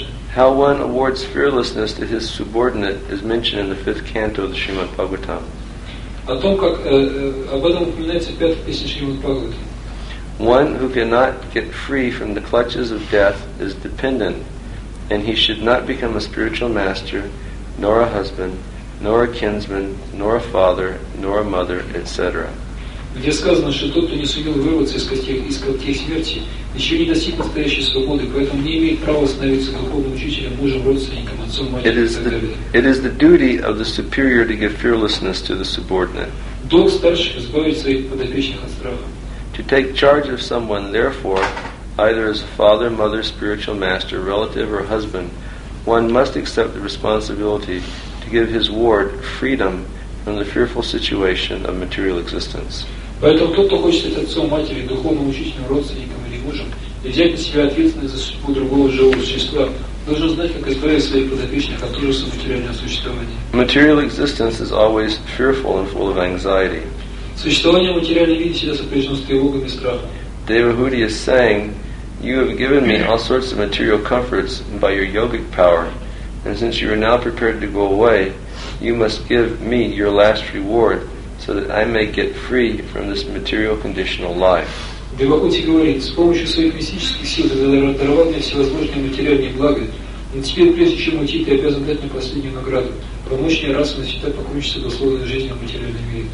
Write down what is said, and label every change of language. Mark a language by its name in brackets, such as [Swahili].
[English] How one awards fearlessness to his subordinate is mentioned in the fifth canto of the Srimad Bhagavatam. One who cannot get free from the clutches of death is dependent, and he should not become a spiritual master, nor a husband, nor a kinsman, nor a father, nor a mother, etc. [Russian] Где сказано, что тот, кто не сумел вырваться из когтей смерти, еще не достиг настоящей свободы, поэтому не имеет права становиться духовным учителем, мужем, родственником, отцом, матерью и так далее. [English] It is the duty of the superior to give fearlessness to the subordinate. [Russian] Долг старших избавить своих подопечных от страха. [English] To take charge of someone, therefore, either as a father, mother, spiritual master, relative, or husband, one must accept the responsibility to give his ward freedom from the fearful situation of material existence. [Russian] Поэтому тот, кто хочет стать отцом, матерью, духовным учителем, родственником или мужем, и взять на себя ответственность за судьбу другого живого существа, должен знать, как избавить своих подопечных от ужаса материального существования. [English] Material existence is always fearful and full of anxiety. [Russian] Существование в материальном виде всегда сопряжено с тревогами и страхом. [English] Devahuti is saying, you have given me all sorts of material comforts by your yogic power, and since you are now prepared to go away, you must give me your last reward so that I may get free from this material conditional life. [Russian] Devahuti говорит, с помощью своих мистических сил ты даровал мне всевозможные материальные блага, но теперь, прежде чем уйти, ты обязан дать мне последнюю награду, помочь мне раз и навсегда покончить с условной жизнью в материальном мире.